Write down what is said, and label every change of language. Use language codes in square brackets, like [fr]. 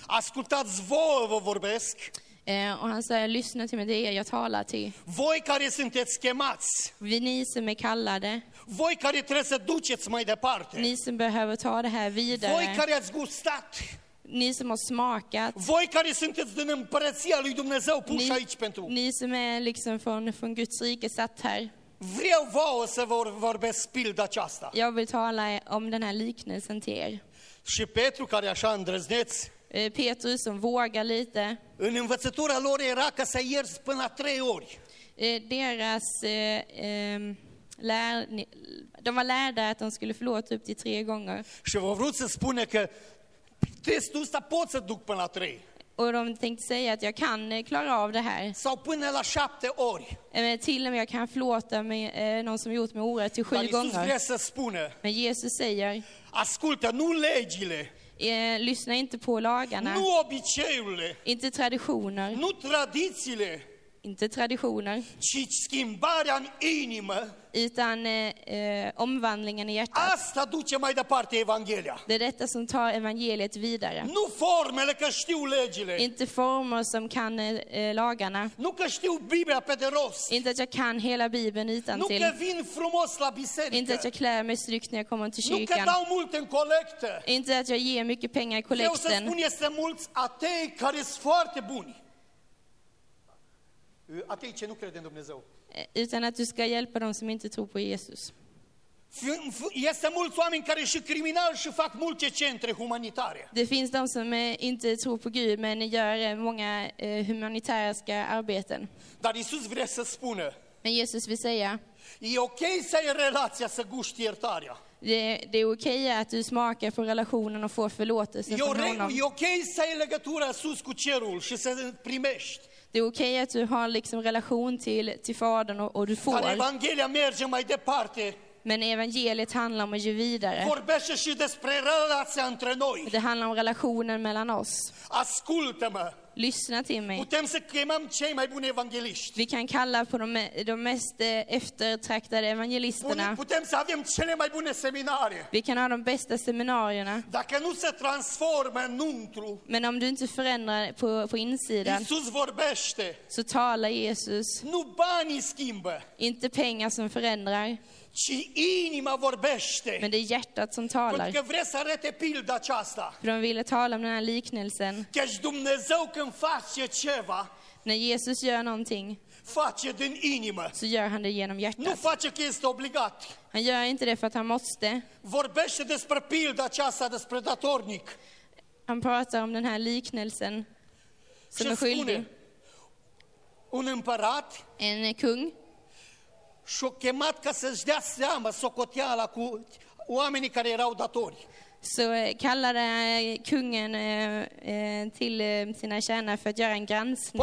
[ro] Ascultați voi, vă vorbesc. [sv] Och han säger, lyssna till mig, det är jag talar till. [ro] Voi care sunteți chemați. [sv] Vi ni som är kallade. [ro] Voi care trebuie să duceți mai departe. [sv] Ni som behöver ta det här vidare. [ro] Voi care ați gustat. [sv] Ni som har smakat. [ro] Voi care sunteți din împărăția lui Dumnezeu puși aici pentru. [sv] Ni som är liksom från Guds rike satt här. [ro] Vreau vouă să vorbesc pilda aceasta. [sv] Jag vill tala om den här liknelsen till er. [ro] Și Petru care așa îndrăzneț. [sv] Petrus som vågar lite. [ro] În învățătura lor era ca să ierți până la trei ori. [sv] De var lärda att de skulle förlåta upp till tre gånger. [ro] Și v-au vrut să spune că testul ăsta pot să duc până la trei. [sv] Och de tänkte säga att jag kan klara av det här. [ro] Sau până la șapte ori. [sv] Till och med jag kan förlåta mig någon som gjort mig orätt till sju gånger. [ro] Dar Iisus vrea să spune. [sv] Men Jesus säger. [ro] Ascultă, nu legile. [sv] Lyssna inte på lagarna. [ro] Nu obiceiurile. [sv] Inte traditioner. [ro] Nu tradițiile. [sv] Inte traditioner. [ro] Ci schimbarea în inimă. [sv] Utan omvandlingen i hjärtat. [ro] Asta duce mai departe evanghelia. [sv] Det är detta som tar evangeliet vidare. [ro] Nu formele că știu legile. [sv] Inte former som kan lagarna. [ro] Nu că știu Biblia pe de rost. [sv] Inte att jag kan hela Bibeln utan till. [ro] Nu că vin frumos la biserică. [sv] Inte att jag klär mig strykt när jag kommer till kyrkan. [ro] Nu că dau mult în colecte. [sv] Inte att jag ger mycket pengar i kollekten. [ro] Vreau să spun, este mulți atei care sunt foarte buni. Atei ce nu crede în Dumnezeu. [sv] Utan att du ska hjälpa dem som inte tror på Jesus. [ro] Este mulți oameni care și criminal și fac multe centre humanitare. [sv] Det finns de som inte tror på Gud men gör många humanitära arbeten. [ro] Dar Iisus vrea să spună. [sv] Men Jesus vill säga. [ro] E okay să ai relația, să guști iertarea. [sv] Det är okej att du smakar på relationen och får förlåtelse från honom. [ro] E okay să ai legătura sus cu cerul și să primești. [sv] Det är okej att du har liksom relation till fadern och du får. [ro] Dar evanghelia merge mai departe. [sv] Men evangeliet handlar om att ge vidare. [ro] Vorbește și despre relația între noi. [sv] Det handlar om relationen mellan oss. [ro] Ascultă-mă. [sv] Lyssna till mig. [ro] Putem să chemăm cei mai buni evangeliști. [sv] Vi kan kalla på de mest eftertraktade evangelisterna. [ro] Putem să avem cele mai bune seminarie. [sv] Vi kan ha de bästa seminarierna. [ro] Dacă nu se transformă înăuntru. [sv] Men om du inte förändrar på insidan. [ro] Iisus vorbește. [sv] Så talar Jesus. [ro] Nu banii schimbă. [sv] Inte pengar som förändrar. [ro] Ci inima vorbește. [sv] Men det är hjärtat som talar. [ro] Pentru că vrea să arate pilda aceasta. [sv] De ville tala om den här liknelsen. [ro] Căci Dumnezeu când face ceva. [sv] När Jesus gör någonting [ro] face din inimă. [sv] Så gör han det genom hjärtat. [ro] Nu face că este obligat. [sv] Han gör inte det för att han måste. [ro] Vorbește despre pilda aceasta despre datornic. [sv] Han pratar om den här liknelsen som är skyldig. [ro] Un împărat, [sv] en kung, [ro] și-o chemat ca să-și dea seama socoteala cu oamenii care erau datori. [sv] Så kallade kungen till sina tjänare för att göra en granskning.